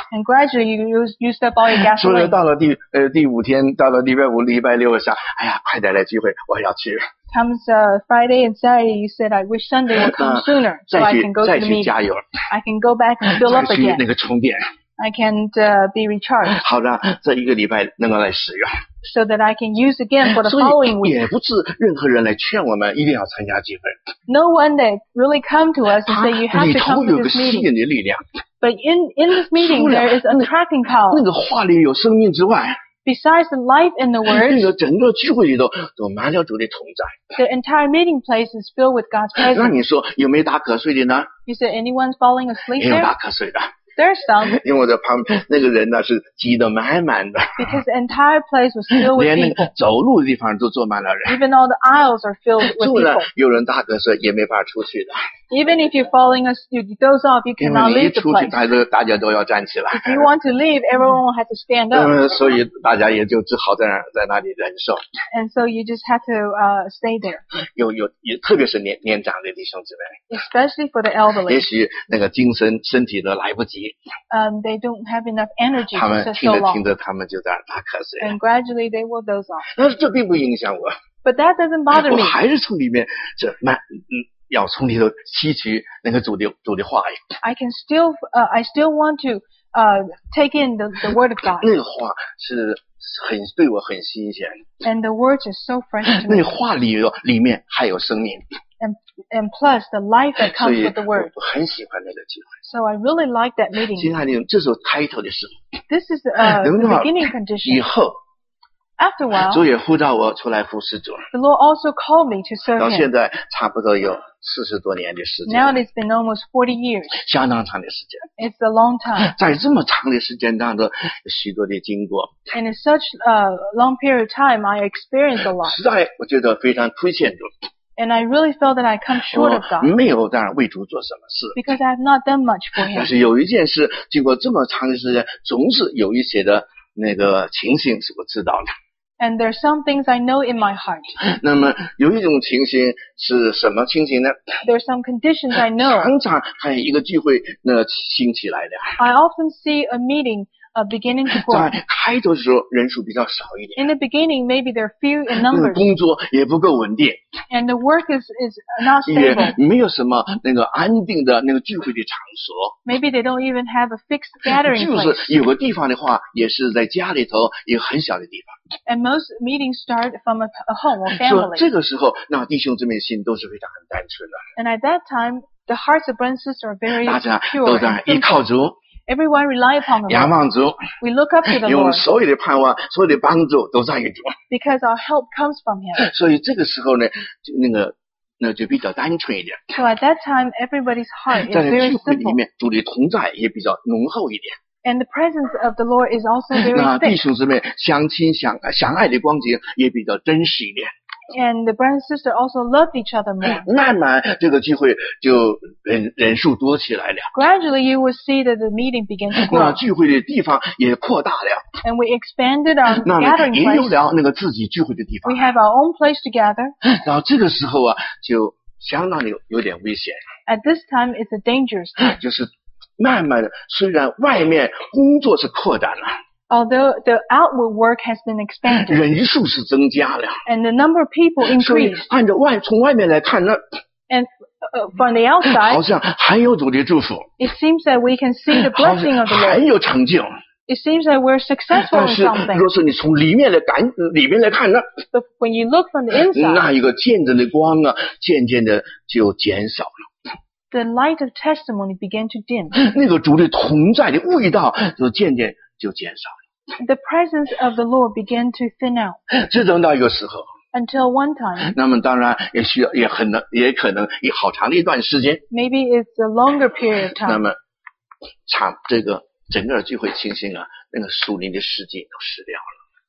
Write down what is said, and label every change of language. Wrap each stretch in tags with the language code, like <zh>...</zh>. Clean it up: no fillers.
<en>And gradually you use up all your gasoline.</en> <zh>所以到了第五天，到了礼拜五、礼拜六想，哎呀，快点来机会，我要去。</zh> <en>Comes Friday and Saturday, you said, I wish Sunday would come sooner so I can go to the meeting.</en> <zh>再去加油。</zh> <en>I can go back and fill up again.</en> <zh>再去那个充电。</zh> <en>I can be recharged.</en> <zh>好让这一个礼拜能够来使用。</zh> <en>So that I can use again for the following week.</en> <zh>也不是任何人来劝我们一定要参加聚会。</zh> <en>No one that really come to us and say you have to come to this meeting.</en> <zh>里头有个吸引的力量。</zh> <en>But in this meeting there is attracting power.</en> <zh>那个话里有生命之外。</zh> <en>Besides the life in the word,</en> <zh>那个整个聚会里头都满了主的同在。</zh> <en>The entire meeting place is filled with God's presence.</en> <zh>那你说有没有打瞌睡的呢？</zh> <en>You said anyone falling asleep there?</en> <zh>也有打瞌睡的。</zh> <en>There's some.</en> <zh>因为我在旁边那个人呢是挤得满满的。</zh> <en>Because the entire place was filled with people.</en> <zh>连那个走路的地方都坐满了人。</zh> <en>Even all the aisles are filled with people.</en> <zh>就呢有人打瞌睡也没法出去的。</zh> <en>Even if you're falling asleep, you doze off, you cannot leave the place.</en> <zh>因为你一出去大家都要站起来。</zh> <en>If you want to leave, everyone will have to stand up.</en> <zh>所以大家也就只好在那里忍受。</zh> <en>And so you just have to stay there.</en> <zh>有特别是年长的弟兄姊妹。</zh> <en>Especially for the elderly.</en> <zh>也许那个精神身体都来不及。</zh> <en>They don't have enough energy for so long.</en> <zh>他们听着听着他们就在打瞌睡。</zh> <en>And gradually they will doze off.</en> <zh>但是这并不影响我。</zh> <en>But that doesn't bother me.</en> <zh>我还是从里面这慢要从里头吸取那个主的话语。</zh> <en>I can still, I still want to, take in the word of God.</en> <zh>那个话是很对我很新鲜。</zh> <en>And the words are so fresh to me.</en> <zh>那话里面还有生命。</zh> <en>And plus the life that comes with the word.</en> <zh>我很喜欢那个机会。</zh> <en>So I really like that meeting.</en> <zh>亲爱的，这是 title 的时候。</zh> <en>This is the beginning condition.</en> <zh>以后。</zh> <en>After a while,</en> <zh>主也呼召我出来服侍主。</zh> <en>The Lord also called me to serve him.</en> <zh>到现在差不多有四十多年的时间。</zh> <en>Now it's been almost 40 years.</en> <zh>相当长的时间。</zh> <en>It's a long time.</en> <zh>在这么长的时间当中，许多的经过。</zh> <en>And in such a long period of time, I experienced a lot.</en> <zh>实在我觉得非常亏欠主。</zh> <en>And I really felt that I come short of God.</en> <zh>没有当然为主做什么事。</zh> <en>Because I have not done much for him.</en> <zh>但是有一件事，经过这么长的时间，总是有一些的那个情形是我知道的。</zh> <en>And there are some things I know in my heart.</en> <zh>那么有一种情形是什么情形呢？</zh> <en>There are some conditions I know.</en> <zh>常常还有一个聚会那兴起来的。</zh> <en>I often see a meeting beginning to grow.</en> <zh>在开头的时候人数比较少一点。</zh> <en>In the beginning, maybe there are few in numbers.</en> <zh>工作也不够稳定。</zh> <en>And the work is not stable.</en> <zh>也没有什么那个安定的那个聚会的场所。</zh> <en>Maybe they don't even have a fixed gathering place.</en> <zh>就是有个地方的话，也是在家里头一个很小的地方。</zh> <en>And most meetings start from a home or family.</en> <zh>这个时候，那弟兄姊妹心都是非常很单纯的。</zh> <en>And at that time, the hearts of brothers and sisters are very pure.</en> <zh>大家都在依靠主。</zh> <en>Everyone rely upon the Lord.</en> <zh>仰望主。</zh> <en>We look up to the Lord.</en> <zh>因为所有的盼望、所有的帮助都在于主。</zh> <en>Because our help comes from Him.</en> <zh>所以这个时候呢，那就比较单纯一点。</zh> <en>So at that time, everybody's heart is very simple.</en> <zh>在聚会里面，主的同在也比较浓厚一点。</zh> <en>And the presence of the Lord is also very thick.</en> <zh>那弟兄姊妹相亲相爱的光景也比较真实一点。</zh> <en>And the brother and sister also loved each other more.</en> <zh>慢慢这个聚会就人数多起来了。</zh> <en>Gradually you will see that the meeting begins to grow.</en> <zh>那聚会的地方也扩大了。</zh> <en>And we expanded our gathering place.</en> <zh>那也有了那个自己聚会的地方。</zh> <en>We have our own place to gather.</en> <zh>然后这个时候啊，就相当的有点危险。</zh> <en>At this time it's a dangerous time.</en> <zh>就是慢慢的，虽然外面工作是扩展了</zh> <en>，although the outward work has been expanded，</en> <zh>人数是增加了</zh> <en>，and the number of people increased。</en> <zh>所以按照从外面来看呢</zh> <en>，and from the outside，</en> <zh>好像还有主的祝福</zh> <en>，it seems that we can see the blessing of the Lord，</en> <zh>还有成就</zh> <en>，it seems that we're successful in something。</en> <zh>但是若是你从里面来看呢</zh> <en>，but when you look from the inside，</en> <zh>那一个见证的光啊，渐渐的就减少了。</zh> <en>The light of testimony began to dim.</en> <zh>那个主的同在的味道就渐渐就减少了。</zh> <en>The presence of the Lord began to thin out.</en> <zh>直等到一个时候。</zh> <en>Until one time.</en> <zh>那么当然也需要也可能有好长的一段时间。</zh> <en>Maybe it's a longer period of time.</en> <zh>那么这个整个聚会情形啊，那个属灵的世界都失掉了。</zh>